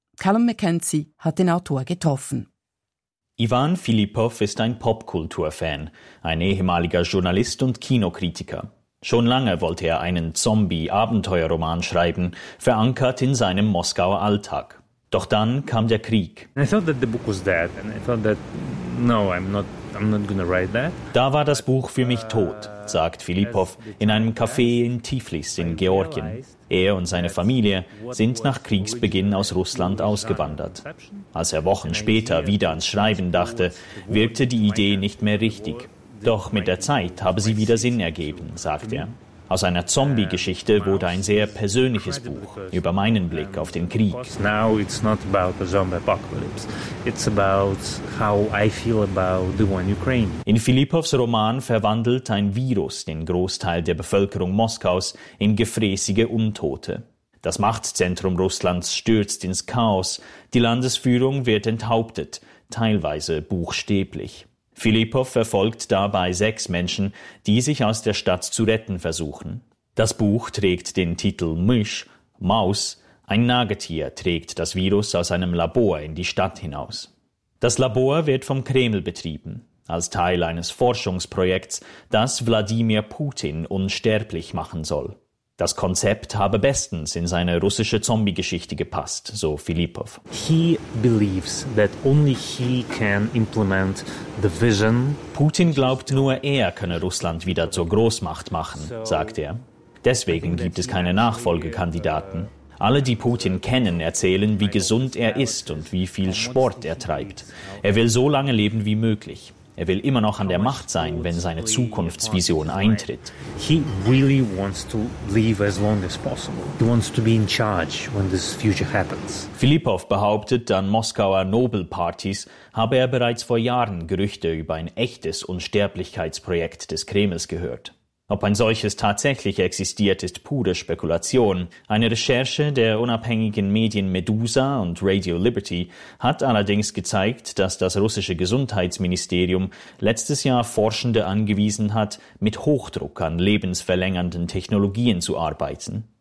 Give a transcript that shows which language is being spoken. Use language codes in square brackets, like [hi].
[de] Callum McKenzie hat den Autor getroffen. Ivan Filipov ist ein Popkultur-Fan, ein ehemaliger Journalist und Kinokritiker. Schon lange wollte er einen Zombie-Abenteuerroman schreiben, verankert in seinem Moskauer Alltag. Doch dann kam der Krieg. [en] I thought that the book was dead and I thought that no, I'm not gonna write that. [de] Da war das Buch für mich tot, sagt Filipov in einem Café in Tiflis in Georgien. Er und seine Familie sind nach Kriegsbeginn aus Russland ausgewandert. Als er Wochen später wieder ans Schreiben dachte, wirkte die Idee nicht mehr richtig. Doch mit der Zeit habe sie wieder Sinn ergeben, sagt er. Aus einer Zombie-Geschichte wurde ein sehr persönliches Buch über meinen Blick auf den Krieg. [en] Now it's not about the zombie apocalypse. It's about how I feel about the war in Ukraine. [de] In Filipovs Roman verwandelt ein Virus den Großteil der Bevölkerung Moskaus in gefräßige Untote. Das Machtzentrum Russlands stürzt ins Chaos. Die Landesführung wird enthauptet, teilweise buchstäblich. Filipow verfolgt dabei 6 Menschen, die sich aus der Stadt zu retten versuchen. Das Buch trägt den Titel «Mysch», Maus. Ein Nagetier trägt das Virus aus einem Labor in die Stadt hinaus. Das Labor wird vom Kreml betrieben, als Teil eines Forschungsprojekts, das Wladimir Putin unsterblich machen soll. Das Konzept habe bestens in seine russische Zombie-Geschichte gepasst, so Filipow. [en] He believes that only he can implement the vision. [de] Putin glaubt, nur er könne Russland wieder zur Großmacht machen, sagt er. Deswegen gibt es keine Nachfolgekandidaten. Alle, die Putin kennen, erzählen, wie gesund er ist und wie viel Sport er treibt. Er will so lange leben wie möglich. Er will immer noch an der Macht sein, wenn seine Zukunftsvision eintritt. [en] He really wants to live as long as possible. He wants to be in charge when this future happens. [de] Filipow behauptet, an Moskauer Nobelpartys habe er bereits vor Jahren Gerüchte über ein echtes Unsterblichkeitsprojekt des Kremls gehört. Ob ein solches tatsächlich existiert, ist pure Spekulation. Eine Recherche der unabhängigen Medien Medusa und Radio Liberty hat allerdings gezeigt, dass das russische Gesundheitsministerium letztes Jahr Forschende angewiesen hat, mit Hochdruck an lebensverlängernden Technologien zu arbeiten.